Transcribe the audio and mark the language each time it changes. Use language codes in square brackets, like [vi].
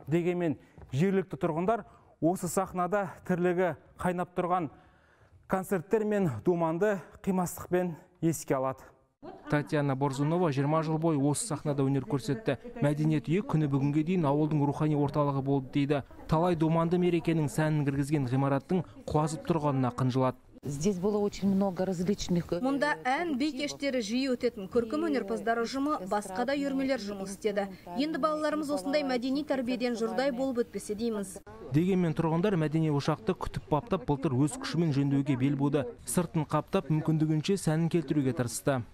[kk] Дегенмен жергілікті тұрғындар осы сахнада тірлігі қайнап тұрған концерттер мен думанды қимастықпен еске алады. Татьяна Борзунова 20 жыл бойы осы сахнада өнер көрсетті. Мәдениет үйі күні бүгінге дейін ауылдың рухани орталығы болды дейді. Талай думанды мерекенің сәнін кіргізген ғимараттың құлазып тұрғанына қынжылады. [ru] Здесь было очень много различных. [kk] Мұнда ән би кештері жиі өтетін. Көркем өнерпаздар ұжымы басқа да үйірмелер жұмыс істеді. Енді балаларымыз осындай мәдени тәрбиеден жұрдай болып өтпесе дейміз. Дегенмен тұрғындар мәдени ошақты күтіп баптап, былтыр өз күшімен жөндеуге бел буды. Сыртын қаптап, мүмкіндігінше сәнін келтіруге тырысты.